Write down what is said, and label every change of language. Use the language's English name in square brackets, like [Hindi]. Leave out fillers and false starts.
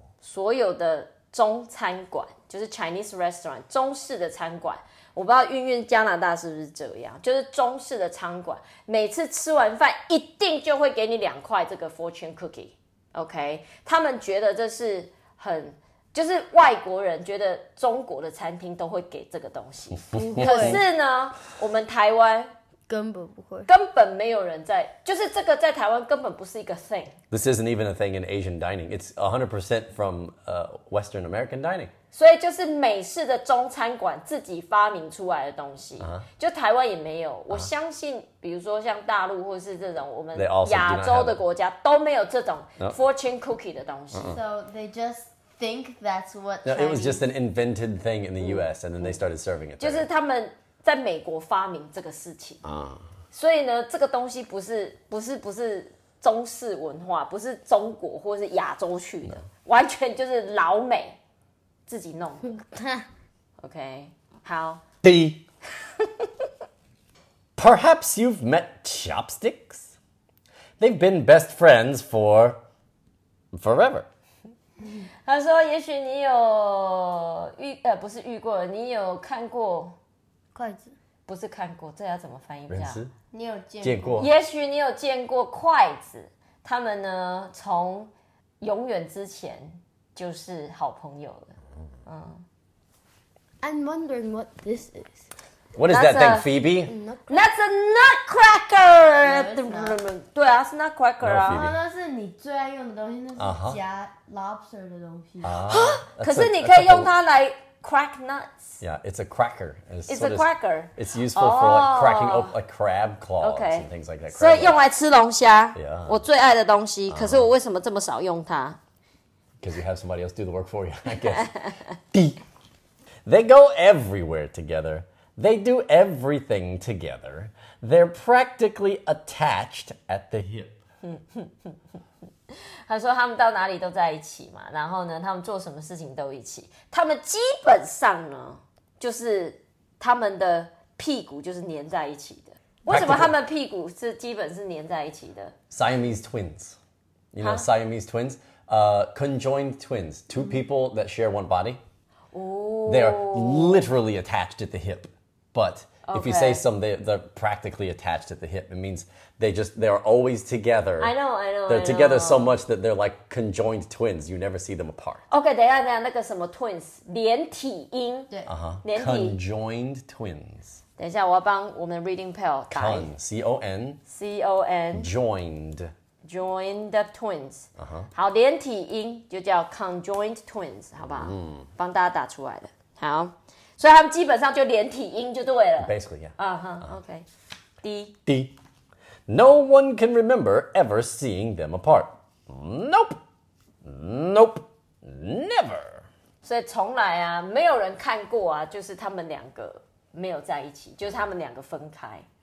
[Chinese] 所有的中餐馆就是 [English] Chinese restaurant [Chinese] 中式的餐馆我不知道运加拿大是不是这样就是中式的餐馆每次吃完饭一定就会给你两块这个 fortune cookie OK 他们觉得这是很就是外国人觉得中国的餐厅都会给这个东西可是呢我们台湾根本不会，根本没有人在，就是这个在台湾根本不是一个 thing. [English] This isn't even a thing in Asian dining. It's 100% from Western American dining. [Chinese] 所以就是美式的中餐馆自己发明出来的东西， uh-huh. 就台湾也没有。 Uh-huh. 我相信，比如说像大陆或是这种我们亚洲的国家都没有这种 fortune cookie 的东西。 [English] Uh-uh. So they just. Think that's what no, it was just an invented thing in the US and then they started serving it. [Chinese] 就是他们在美国发明这个事情。所以呢这个东西不是中式文化不是中国或是亚洲去的、 [English] no. [Chinese] 完全就是老美自己弄。OK, 好。 [English] D. Perhaps you've met Chopsticks? They've been best friends for forever. [Chinese] 他说：“也许你有遇不是遇过，你有看过筷子，不是看过，这要怎么翻译？你有见过？也许你有见过筷子，他们呢，从永远之前就是好朋友了。嗯 [English] ，I'm wondering what this is. What is that thing, Phoebe? That's a nutcracker. No, [Chinese] 对啊，是 nutcracker 啊。 No, 那是你最爱用的东西，那是夹。” Lobster 的东西啊，可是你可以用它来 [English] crack nuts. Yeah, it's a cracker. It's a cracker. It's useful for like cracking open a crab claw and things like that. [Chinese] 所以用来吃龙虾， [English] yeah. [Chinese] 我最爱的东西。可是我为什么这么少用它？ [English] Because you have somebody else do the work for you, I guess. D. They go everywhere together. They do everything together. They're practically attached at the hip. [Chinese] 他说他们到哪里都在一起嘛，然后呢，他们做什么事情都一起。他们基本上呢，就是他们的屁股就是黏在一起的。为什么他们屁股是基本是黏在一起的 [English] ？Siamese twins, you know Siamese twins, conjoined twins, two people that share one body. They are literally attached at the hip, but. Okay. If you say some, they're practically attached at the hip. It means they're always together. I know. They're together so much that they're like conjoined twins. You never see them apart. [Chinese] Okay, 等一下，那个什么 twins, 连体婴。对。 [English] Conjoined twins. [Chinese] 等一下，我要帮我们 [English] reading pal [Chinese] 打。 [English] Con, C-O-N. C-O-N. Joined. Joined twins. [Chinese] 好，连体婴就叫 [English] conjoined twins, [Chinese] 好不好？帮大家打出来的。好。所以他们基本上就连体婴就对了。 [English] Basically, yeah. Okay. D. D. No one can remember ever seeing them apart. Nope. Nope. Never. [Chinese] 所以从来啊，没有人看过啊，就是他们两个没有在一起，就是他们两个分开。